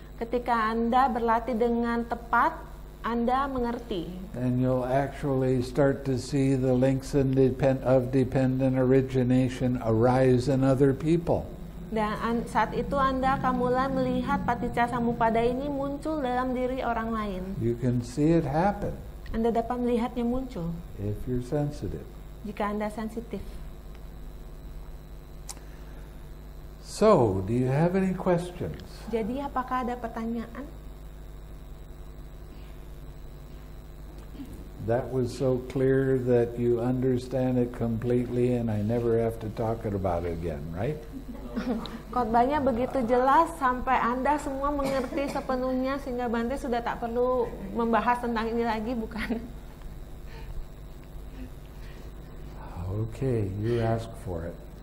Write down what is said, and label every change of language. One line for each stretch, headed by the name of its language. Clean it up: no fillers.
Indonesian: Ketika Anda berlatih dengan tepat, Anda mengerti.
English: And you'll actually start to see the links of dependent origination arise in other people.
Indonesian: Dan saat itu Anda akan mulai melihat paticcasamuppada ini muncul dalam diri orang lain.
English: You can see it happen.
Indonesian: Anda dapat melihatnya muncul.
English: If you're sensitive.
Indonesian: Jika Anda sensitif.
English: So, do you have any questions?
Indonesian: Jadi apakah ada pertanyaan?
English: That was so clear that you understand it completely and I never have to talk about it again, right?
Indonesian: Khotbahnya begitu jelas sampai Anda semua mengerti sepenuhnya sehingga Bante sudah tak perlu membahas tentang ini lagi, bukan?
English: Okay, you ask for it.